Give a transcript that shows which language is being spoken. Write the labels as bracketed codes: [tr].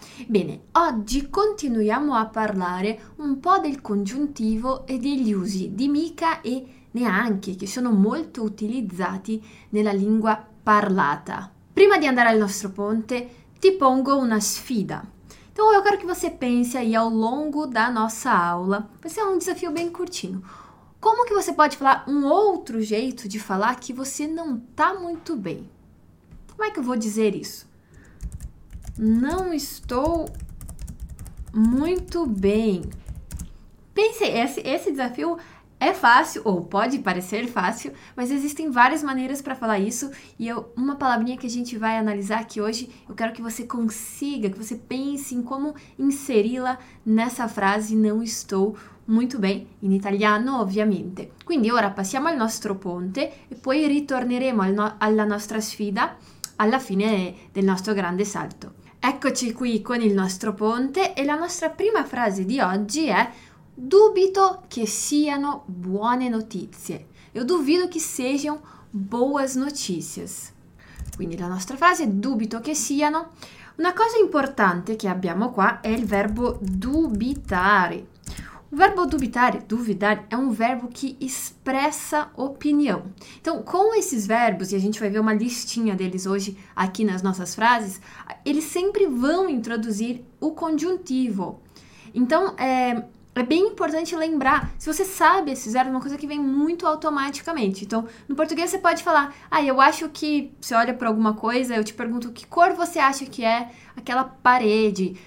[it] Bene, oggi continuiamo a parlare un po' del congiuntivo e degli usi di mica e neanche, che sono molto utilizzati nella lingua parlata. Prima di andare al nostro ponte, ti pongo una sfida. [pt] Então, eu quero que você pense aí ao longo da nossa aula. Vai ser um desafio bem curtinho. Como que você pode falar um outro jeito de falar que você não tá muito bem? Como é que eu vou dizer isso? Não estou muito bem. Pense, esse desafio é fácil, ou pode parecer fácil, mas existem várias maneiras para falar isso. E uma palavrinha que a gente vai analisar aqui hoje, eu quero que você consiga, que você pense em como inseri-la nessa frase: não estou muito bem, em italiano, [it] ovviamente. Quindi, ora passiamo al nostro ponte e poi ritorneremo alla nostra sfida alla fine del nostro grande salto. Eccoci qui con il nostro ponte e la nostra prima frase di oggi è: dubito che siano buone notizie. [pt] Eu duvido que sejam boas notícias. [it] Quindi la nostra frase è dubito che siano. Una cosa importante che abbiamo qua è il verbo dubitare. [pt] O verbo dubitare, duvidare, [it] è un verbo che [pt] expressa opinião. Então, com esses verbos, e a gente vai ver uma listinha deles hoje aqui nas nossas frases, eles sempre vão introduzir o conjuntivo. Então, é bem importante lembrar, se você sabe esse verbo, é uma coisa que vem muito automaticamente. Então, no português você pode falar: ah, eu acho que, você olha para alguma coisa, eu te pergunto que cor você acha que é aquela parede.